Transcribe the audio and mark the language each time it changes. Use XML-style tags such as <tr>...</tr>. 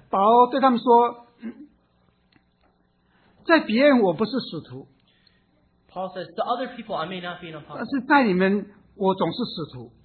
<zh>保罗对他们说, 在别人我不是使徒,</zh> <en>Paul says, to other people, I may not be an apostle.</en> <zh>但是在你们,我总是使徒,</zh>